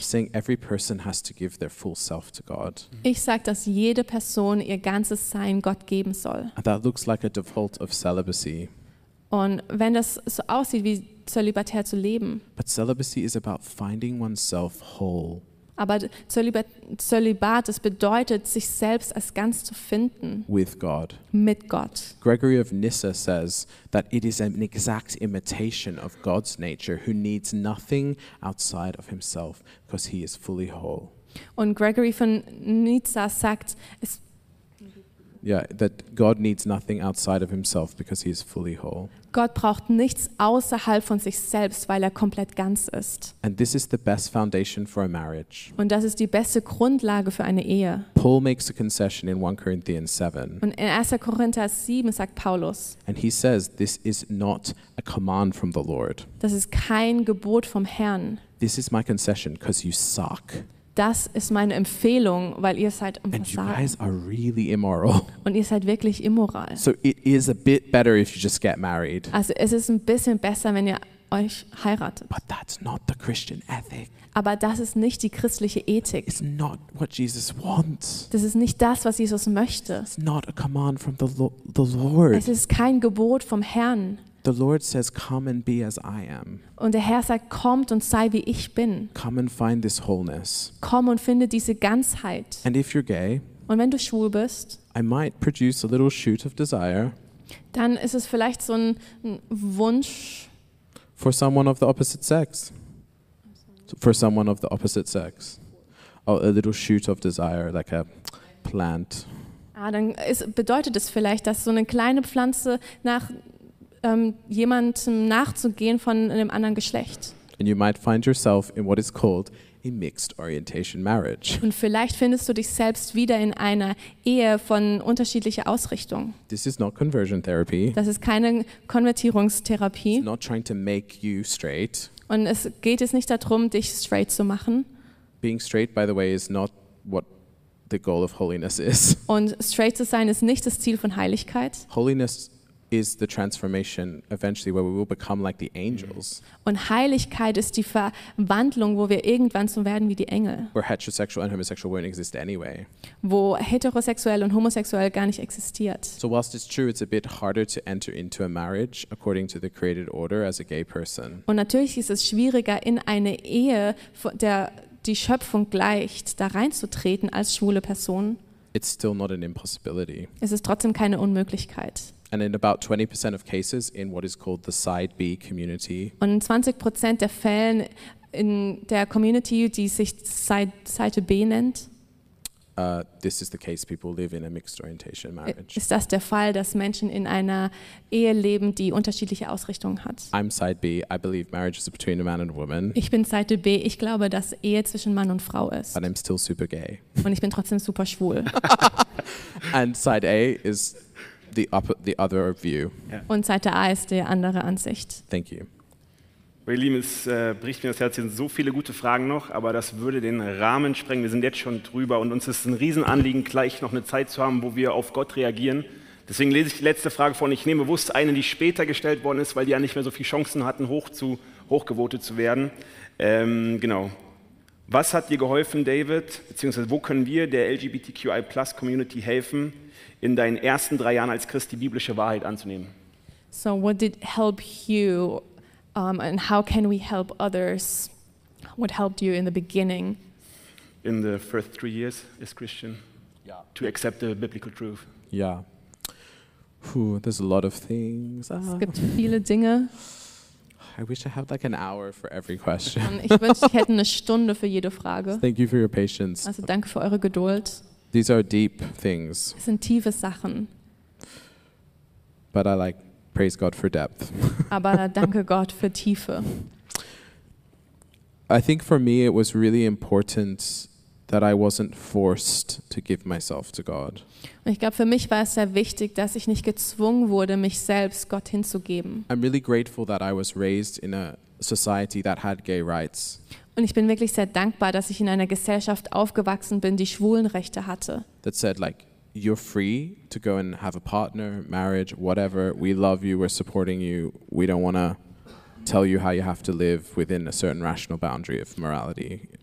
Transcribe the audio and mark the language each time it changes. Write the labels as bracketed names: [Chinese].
[English] I'm saying every person has to give their full self to God. [German] Ich sage, dass jede Person ihr ganzes Sein Gott geben soll. [English] And that looks like a default of celibacy. [German] Und wenn das so aussieht, wie zölibatär zu leben. [English] But celibacy is about finding oneself whole. [German] Aber Zölibat, es bedeutet, sich selbst als ganz zu finden. [English] With God. [German] Mit Gott. [English] Gregory of Nyssa says that it is an exact imitation of God's nature, who needs nothing outside of himself, because he is fully whole. [German] Und Gregory von Nyssa sagt, es [English] yeah, that God needs nothing outside of himself because he is fully whole. [German] Gott braucht nichts außerhalb von sich selbst, weil er komplett ganz ist. [English] And this is the best foundation for a marriage. [German] Und das ist die beste Grundlage für eine Ehe. [English] Paul makes a concession in 1 Corinthians 7. [German] Und in 1. Korinther 7 sagt Paulus. [English] And he says this is not a command from the Lord. [German] Das ist kein Gebot vom Herrn. [English] This is my concession because you suck. [German] Das ist meine Empfehlung, weil ihr seid im Versagen. Und ihr seid wirklich immoral. [English] So it is a bit better if you just get married. [German] Also es ist ein bisschen besser, wenn ihr euch heiratet. [English] But that's not the Christian ethic. [German] Aber das ist nicht die christliche Ethik. [English] It's not what Jesus wants. [German] Das ist nicht das, was Jesus möchte. [English] It's not a command from the Lord. [German] Es ist kein Gebot vom Herrn. [English] The Lord says, "Come and be as I am." [German] Und der Herr sagt, kommt und sei wie ich bin. [English] Come and find this wholeness. [German] Komm und finde diese Ganzheit. [English] And if you're gay, [German] und wenn du schwul bist, [English] I might produce a little shoot of desire. [German] Dann ist es vielleicht so ein Wunsch. [English] For someone of the opposite sex. For someone of the opposite sex, oh, a little shoot of desire, like a plant. [German] Ah, dann ist, bedeutet es vielleicht, dass so eine kleine Pflanze nach jemandem nachzugehen von einem anderen Geschlecht. [English] And you might find yourself in what is called a mixed orientation marriage. [German] Und vielleicht findest du dich selbst wieder in einer Ehe von unterschiedlicher Ausrichtung. [English] This is not conversion therapy. [German] Das ist keine Konvertierungstherapie. [English] It's not trying to make you straight. [German] Und es geht es nicht darum, dich straight zu machen. [English] Being straight, by the way, is not what the goal of holiness is. [German] Und straight zu sein ist nicht das Ziel von Heiligkeit. [English] Holiness is the transformation eventually where we will become like the angels. [German] Und Heiligkeit ist die Verwandlung, wo wir irgendwann so werden wie die Engel. [English] Where heterosexual and homosexual won't exist anyway. [German] Wo heterosexuell und homosexuell gar nicht existiert. [English] So whilst it's true it's a bit harder to enter into a marriage according to the created order as a gay person. [German] Und natürlich ist es schwieriger in eine Ehe, der die Schöpfung gleicht, da reinzutreten als schwule Person. [English] It's still not an impossibility. [German] Es ist trotzdem keine Unmöglichkeit. [English] And in about 20% of cases in what is called the Side B community. [German] Und 20% der Fällen in der Community, die sich Seite B nennt. [English] This is the case people live in a mixed orientation marriage. [German] Ist das der Fall, dass Menschen in einer Ehe leben, die unterschiedliche Ausrichtungen hat? [English] I'm Side B. I believe marriage is between a man and a woman. [German] Ich bin Seite B. Ich glaube, dass Ehe zwischen Mann und Frau ist. [English] But I'm still super gay. [German] Und ich bin trotzdem super schwul. [English] And Side A is the other view. Yeah. [German] Und Seite A ist die andere Ansicht. [English] Thank you. [German] Ihr Lieben, es bricht mir das Herz, sind so viele gute Fragen noch, aber das würde den Rahmen sprengen. Wir sind jetzt schon drüber und uns ist ein Riesenanliegen, gleich noch eine Zeit zu haben, wo wir auf Gott reagieren. Deswegen lese ich die letzte Frage vor und ich nehme bewusst eine, die später gestellt worden ist, weil die ja nicht mehr so viele Chancen hatten, hochgevotet zu werden. Genau. Was hat dir geholfen, David, beziehungsweise wo können wir der LGBTQI+-Community helfen, in deinen ersten 3 Jahren als Christ die biblische Wahrheit anzunehmen? [English] So what did help you and how can we help others? What helped you in the beginning? In the first 3 years as Christian, yeah, to accept the biblical truth. Yeah. Whew, there's a lot of things. [German] Es gibt viele Dinge. [English] I wish I had like an hour for every question. [German] Ich wünschte, ich hätte eine Stunde für jede Frage. [English] Thank you for your patience. [German] Also danke für eure Geduld. [English] These are deep things. [German] Es sind tiefe Sachen. [English] But I like praise God for depth. [German] Aber danke Gott für Tiefe. [English] I think for me it was really important that I wasn't forced to give myself to God. [German] Und ich glaube, für mich war es sehr wichtig, dass ich nicht gezwungen wurde, mich selbst Gott hinzugeben. [English] I'm really grateful that I was raised in a society that had gay rights. [German] Und ich bin wirklich sehr dankbar, dass ich in einer Gesellschaft aufgewachsen bin, die Schwulenrechte hatte. [English] That said, like, you're free to go and have a partner, marriage, whatever. We love you, we're supporting you. We don't want to tell you how you have to live within a certain rational boundary of morality.